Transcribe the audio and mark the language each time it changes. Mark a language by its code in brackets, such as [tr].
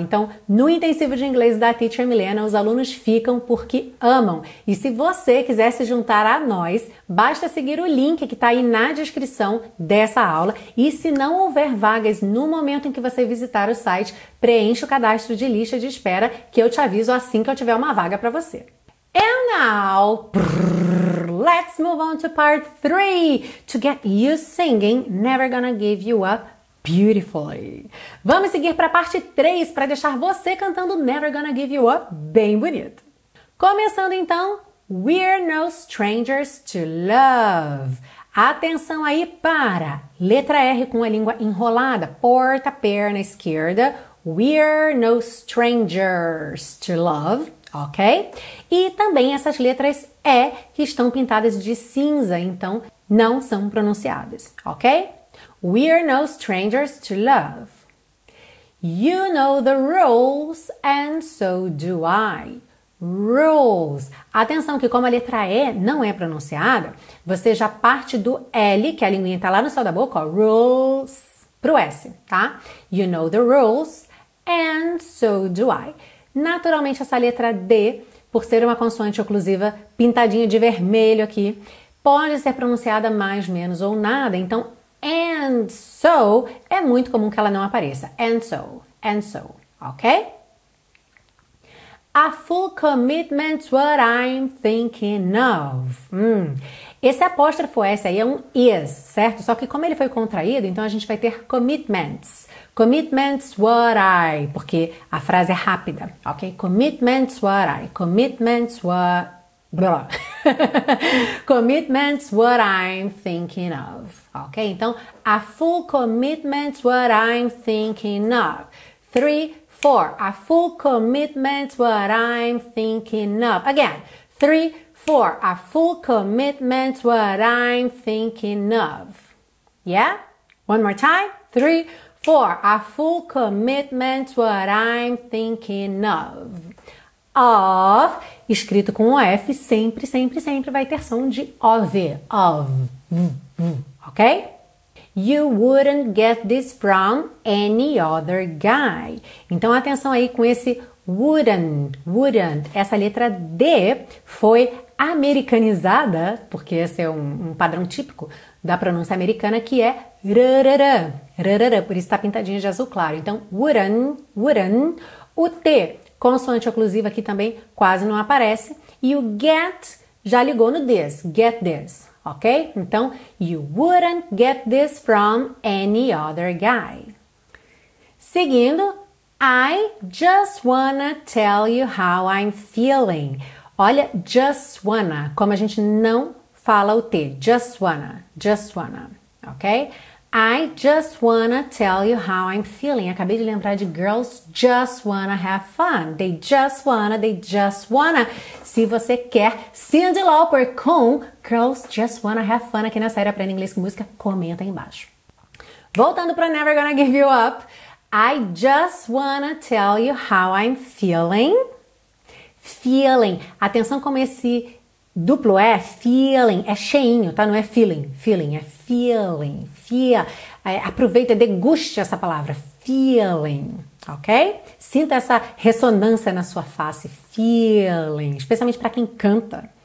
[pt] Então, no intensivo de inglês da Teacher Milena, os alunos ficam porque amam. E se você quiser se juntar a nós, basta seguir o link que está aí na descrição dessa aula. E se não houver vagas no momento em que você visitar o site, preencha o cadastro de lista de espera que eu te aviso assim que eu tiver uma vaga para você. [en] And now, let's move on to part 3, to get you singing, never gonna give you up beautifully. [pt] Vamos seguir para a parte 3, para deixar você cantando Never Gonna Give You Up bem bonito. Começando então, [en] We're No Strangers to Love. [pt] Atenção aí para letra R com a língua enrolada, porta a perna esquerda. [en] We're No Strangers to Love. Ok? [pt] E também essas letras E que estão pintadas de cinza, então não são pronunciadas, ok? [en] We're no strangers to love. You know the rules and so do I. Rules. [pt] Atenção que como a letra E não é pronunciada, você já parte do L, que a linguinha está lá no céu da boca, ó, rules, pro S, tá? [en] You know the rules and so do I. [pt] Naturalmente, essa letra D, por ser uma consoante oclusiva pintadinha de vermelho aqui, pode ser pronunciada mais, menos ou nada. Então, [en] and so [pt] é muito comum que ela não apareça. [en] And so, ok? A full commitment's what I'm thinking of. [pt] Esse apóstrofo S aí é um is, certo? Só que como ele foi contraído, então a gente vai ter commitments. [en] Commitments what I, [pt] porque a frase é rápida, ok? [en] Commitments what I, commitments what. Blá. Commitments what I'm thinking of, ok? [pt] Então, [en] a full commitment's what I'm thinking of. 3, 4. A full commitment's what I'm thinking of. Again, 3, 4. A full commitment's what I'm thinking of. Yeah? One more time. 3, 4, a full commitment's what I'm thinking of. Of, [pt] escrito com um F, sempre, sempre, sempre vai ter som de OV. [en] Of. Ok? You wouldn't get this from any other guy. [pt] Então, atenção aí com esse wouldn't. Essa letra D foi americanizada, porque esse é um padrão típico da pronúncia americana, que é rrr, rrr, por isso está pintadinha de azul claro. Então, wouldn't. O T, consoante oclusiva aqui também, quase não aparece. E o get já ligou no this, [en] get this, [pt] ok? [en] Então, you wouldn't get this from any other guy. Seguindo, I just wanna tell you how I'm feeling. [pt] Olha, [en] just wanna, [pt] como a gente não fala o T, just wanna, ok? [en] I just wanna tell you how I'm feeling. [pt] Acabei de lembrar de girls just wanna have fun. [en] They just wanna. [pt] Se você quer Cyndi Lauper com Girls Just Wanna Have Fun aqui na série Aprenda Inglês com Música, comenta aí embaixo. Voltando para Never Gonna Give You Up. [en] I just wanna tell you how I'm feeling. Feeling. [pt] Atenção como esse duplo é feeling, é cheinho, tá? Não é feeling, feeling, é feeling, fia. Aproveita, deguste essa palavra, feeling, ok? Sinta essa ressonância na sua face, feeling, especialmente para quem canta.